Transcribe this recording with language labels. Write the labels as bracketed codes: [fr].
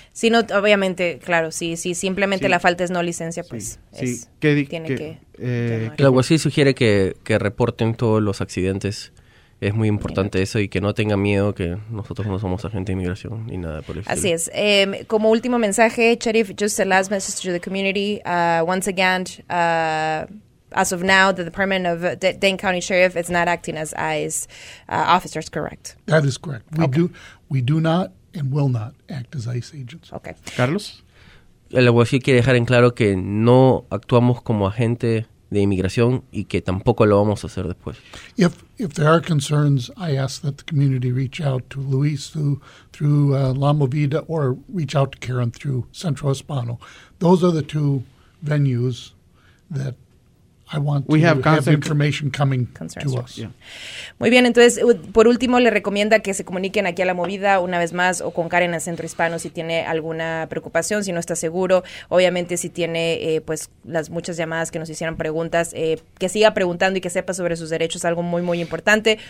[es] Si no, obviamente, claro, si simplemente la falta es no licencia, pues el alguacil sugiere que reporten todos los accidentes. Es muy importante eso y que no tenga miedo, que nosotros no somos agente de inmigración ni nada por el estilo. Así es. Como último mensaje, Sheriff, [en] just a last message to the community. Once again, as of now, the Department of Dane County Sheriff is not acting as ICE officers, correct? That is correct. We do not and will not act as ICE agents. Okay. Carlos? [es] El abogado quiere dejar en claro que no actuamos como agente de inmigración y que tampoco lo vamos a hacer después. [en] If there are concerns, I ask that the community reach out to Luis through La Movida or reach out to Karen through Centro Hispano. Those are the two venues that I want we to have information coming to us. Yeah. [es] Muy bien, entonces, por último, le recomienda que se comuniquen aquí a La Movida una vez más o con Karen en Centro Hispano si tiene alguna preocupación, si no está seguro. Obviamente, si tiene pues las muchas llamadas que nos hicieron preguntas, que siga preguntando y que sepa sobre sus derechos, algo muy, muy importante.